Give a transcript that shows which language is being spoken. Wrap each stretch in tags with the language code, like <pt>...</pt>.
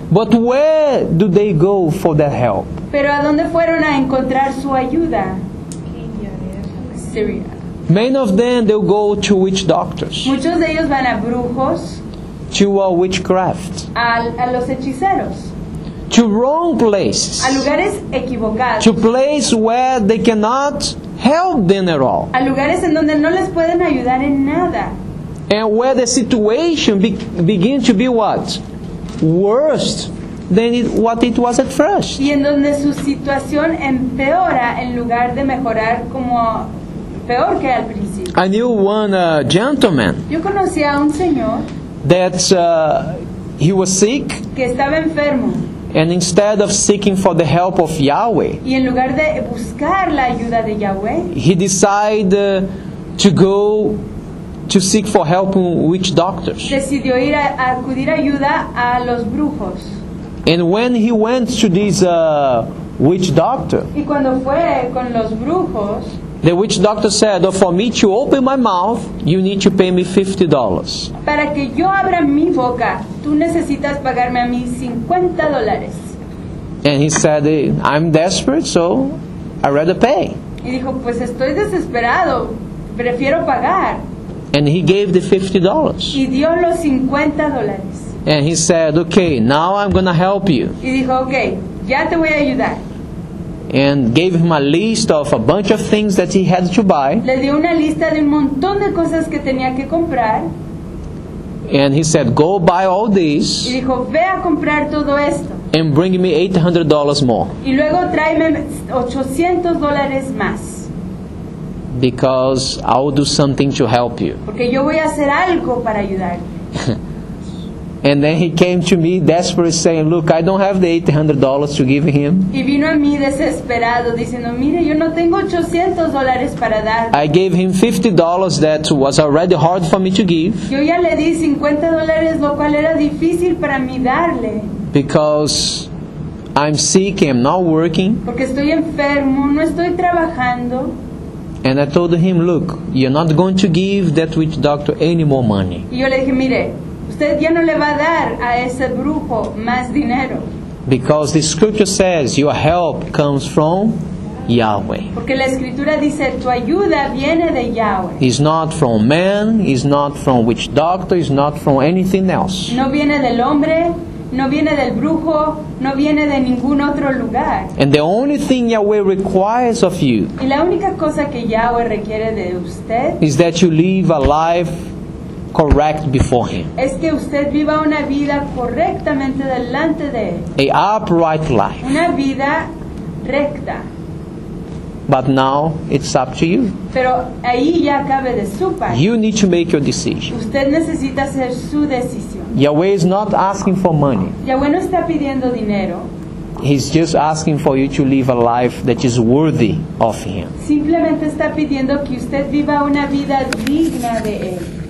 <en>But where do they go for that help?</en> <es>Pero ¿a dónde fueron a encontrar su ayuda?</es> <en>Syria. Many of them, they'll go to witch doctors.</en> <es>Muchos de ellos van a brujos.</es> <en>To a witchcraft.</en> <es>A los hechiceros.</es> <en>To wrong places.</en> <es>A lugares equivocados.</es> <en>To places where they cannot help them at all.</en> <es>A lugares en donde no les pueden ayudar en nada.</es> <en>And where the situation begins to be what? Worse than what it was at first.</en> <es>Y en donde su situación empeora en lugar de mejorar como peor que al principio.</es> <en>I knew one gentleman.</en> <es>Yo conocí a un señor.</es> <en>That he was sick.</en> <es>Que estaba enfermo.</es> <en>And instead of seeking for the help of Yahweh,</en> <es>y en lugar de buscar la ayuda de Yahweh,</es> <en>he decided to go to seek for help from witch doctors.</en> <es>Decidió ir a acudir ayuda a los brujos.</es> <en>And when he went to this witch doctor,</en> <es>y cuando fue con los brujos,</es> <en>the witch doctor said, oh, for me to open my mouth, you need to pay me $50.</en> <es>Para que yo abra mi boca, tú necesitas pagarme a mí $50.</es> <en>And he said, I'm desperate, so I'd rather pay.</en> <es>Y dijo, pues estoy desesperado, prefiero pagar.</es> <en>And he gave the $50.</en> <es>Y dio los $50.</es> <en>And he said, okay, now I'm going to help you.</en> <es>Y dijo, okay, ya te voy a ayudar.</es> <en>And gave him a list of a bunch of things that he had to buy.</en> <es>Le dio una lista de un montón de cosas que tenía que comprar.</es> <en>And he said, go buy all this.</en> <es>Y dijo, ve a comprar todo esto.</es> <en>And bring me $800 more.</en> <es>Y luego tráeme $800 más.</es> <en>Because I will do something to help you.</en> <es>Porque yo voy a hacer algo para ayudar.</es> <en>And then he came to me desperate saying, look, I don't have the $800 to give him.</en> <es>Y vino a mí desesperado diciendo, mire, yo no tengo $800 para dar.</es> <en>I gave him $50 that was already hard for me to give.</en> <es>Yo ya le di $50, lo cual era difícil para mí darle.</es> <en>Because I'm sick, I'm not working.</en> <es>Porque estoy enfermo, no estoy trabajando.</es> <en>And I told him, look, you're not going to give that witch doctor any more money.</en> <es>Y yo le dije, mire, usted ya no le va a dar a ese brujo más dinero.</es> <en>Because the scripture says your help comes from Yahweh.</en> <es>Porque la escritura dice tu ayuda viene de Yahweh.</es> <en>It's not from man, it's not from witch doctor, it's not from anything else.</en> <es>No viene del hombre, no viene del brujo, no viene de ningún otro lugar.</es> <en>And the only thing Yahweh requires of you.</en> <es>Y la única cosa que Yahweh requiere de usted.</es> <en>Is that you live a life correct before him.</en> <es>Es que usted viva una vida correctamente delante de él.</es> <en>A upright life.</en> <es>Una vida recta.</es> <en>But now it's up to you.</en> <es>Pero ahí ya cabe de su parte.</es> <en>You need to make your decision.</en> <es>Usted necesita hacer su decisión.</es> <en>Yahweh is not asking for money.</en> <es>Yahweh no está pidiendo dinero.</es> <en>He's just asking for you to live a life that is worthy of him.</en> <es>Simplemente está pidiendo que usted viva una vida digna de él.</es>